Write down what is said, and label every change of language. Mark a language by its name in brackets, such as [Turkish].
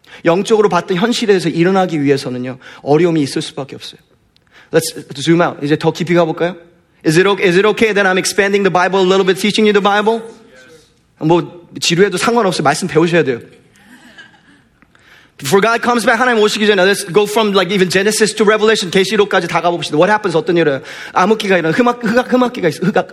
[Korean] 영적으로 봤던 현실에서 일어나기 위해서는요. 어려움이 있을 수밖에 없어요. [English] Let's zoom out. [Korean] 이제 더 깊이 가볼까요? [English] Is it okay that I'm expanding the Bible a little bit, teaching you the Bible? Yes. [Korean] 뭐 지루해도 상관없어요. 말씀 배우셔야 돼요. [English] Before God comes back, [Korean] 하나님 오시기 전에, [English] let's go from like even Genesis to Revelation, [Korean] 계시록까지 다 가봅시다. [English] What happens? [Korean] 어떤 일이에요? 암흑기가 일어나, 흑암기가 있어.